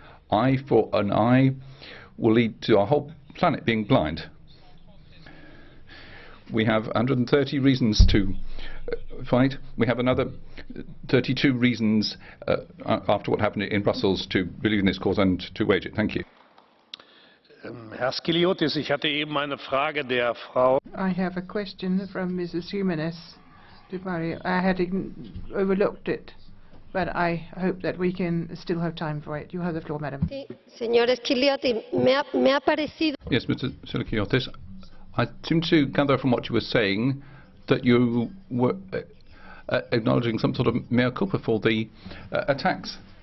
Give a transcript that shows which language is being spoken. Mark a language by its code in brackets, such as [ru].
[en] Eye for an eye will lead to our whole planet being blind. We have 130 reasons to fight. We have another 32 reasons after what happened in Brussels to believe in this cause and to wage it. Thank you. [de] Herr Skiliotis, ich hatte eben eine Frage der Frau. [en] I have a question from Mrs. Jiménez-Becerril. I had overlooked it, but I hope that we can still have time for it. You have the floor, madam. Yes, Mr. Skiliotis, I seem to gather from what you were saying that you were acknowledging some sort of mea culpa for the attacks.